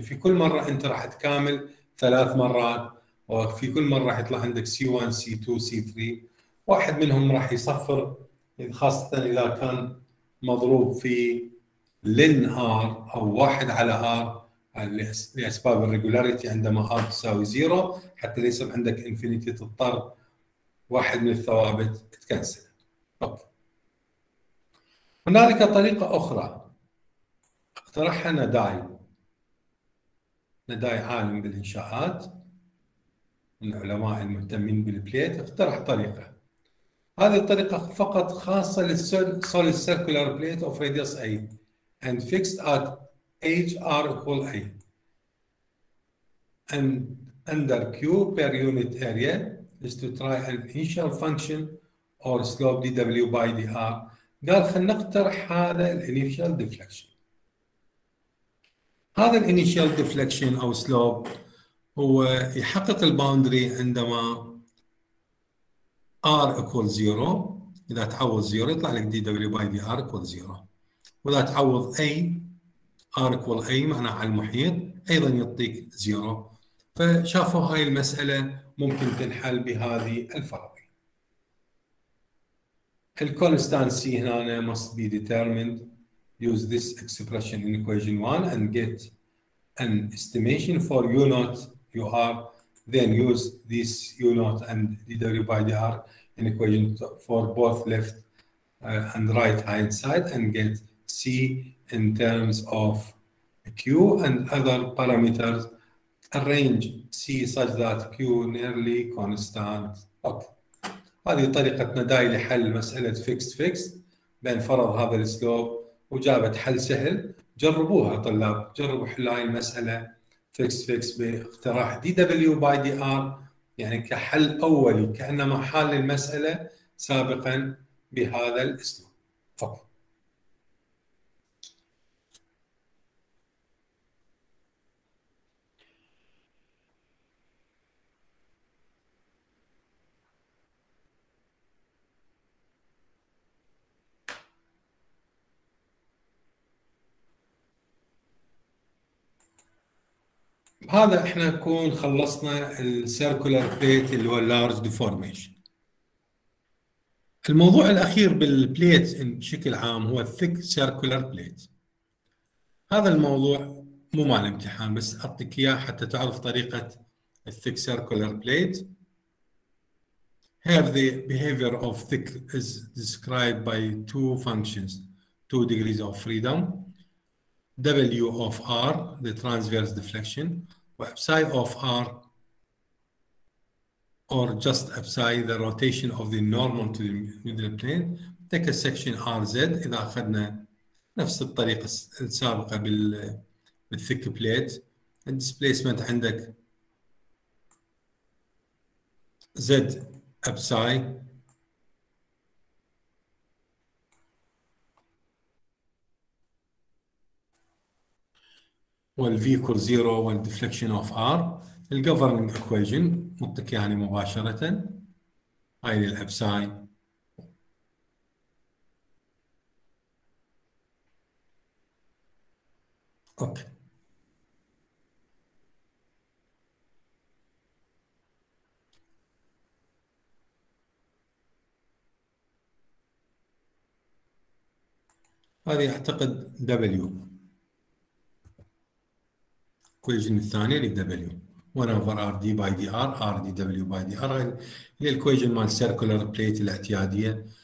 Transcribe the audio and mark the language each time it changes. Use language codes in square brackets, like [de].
[ar] في كل مره انت راح تكامل ثلاث مرات، وفي كل مره راح يطلع عندك سي 1 سي 2 سي 3، واحد منهم راح يصفر، خاصة إذا كان مضروب في لين R أو واحد على R لأسباب الريجولاريتي، عندما R تساوي زيرو حتى ليس عندك إنفينيتي تضطر واحد من الثوابت تكنسل. هنالك طريقة أخرى اقترحها نداي عالم بالإنشاءات من العلماء المهتمين بالبليت، اقترح طريقة. هذه الطريقة فقط خاصة للسوليد سيركولار بليت اوف راديوس [en] A and fixed at h r equal a and under q per unit area is to try an initial function or slope dw by dr. [ar] قال خلنا نقترح هذا الانيشال ديفلكشن. هذا الانيشال ديفلكشن او سلوب هو يحقق الباوندري عندما [en] r equal 0، [ar] إذا تعوض 0 يطلع لك [en] dw by dr equal 0، [ar] وإذا تعوض a r equal a معناه على المحيط أيضا يعطيك 0. فشافوا هاي المسألة ممكن تنحل بهذه الفرضية. الكونستانسي هنا [en] must be determined. Use this expression in equation 1 and get an estimation for u not u r. Then use this u not and dw by dr in equation for both left and right hand side and get C in terms of Q and other parameters, arrange C such that Q nearly constant. [ar] هذه طريقة نداي لحل مسألة fixed fixed بين فرض هذا السلوب وجابت حل سهل. جربوها طلاب، جربوا حل هاي المسألة fixed fixed باقتراح dW by dr يعني كحل أولي كأنما حل المسألة سابقا بهذا الأسلوب فقط. هذا احنا نكون خلصنا السيركولار بليت اللي هو اللارج ديفورميشن. الموضوع الاخير بالبليت بشكل عام هو الثيك سيركولار بليت. هذا الموضوع مو مال امتحان بس اعطيك اياه حتى تعرف طريقه الثيك سيركولار بليت. [en] Here the behavior of thick is described by two functions, two degrees of freedom, W of R, the transverse deflection, psi of R, or just psi, the rotation of the normal to the middle plane. Take a section RZ. [ar] إذا أخذنا نفس الطريقة السابقة بالthick plate, [en] and displacement [ar] عندك Z psi. والV equal zero والdeflection of R. [en] The governing equation [ar] مطلق يعني مباشرة هاي للأبساي هذه أعتقد W الكويجن الثانية للدبليو 1 over RD by DR RD W by DR للكويجن مال سيركولار بليت الاعتيادية.